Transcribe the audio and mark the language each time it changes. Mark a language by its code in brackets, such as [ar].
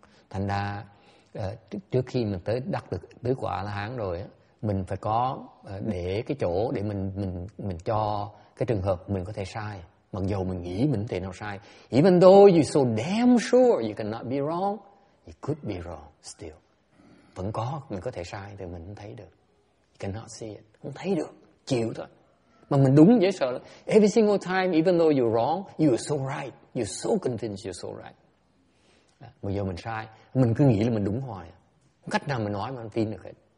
[vi] Thành ra, trước khi mình tới đắc được tứ quả A-la-hán rồi, mình phải có để cái chỗ để mình cho cái trường hợp mình có thể sai. Mặc dù mình nghĩ mình thể nào sai. [en] Even though you're so damn sure you cannot be wrong, you could be wrong still. [vi] Vẫn có, mình có thể sai, thì mình cũng thấy được. [en] Cannot see it. [vi] Không thấy được. Chịu thôi. Mà mình đúng dễ sợ lắm. [en] Every single time, even though you're wrong, you're so right. You're so convinced you're so right. [vi] Bây giờ mình sai, mình cứ nghĩ là mình đúng hoài. Cách nào mình nói mà mình tin được hết.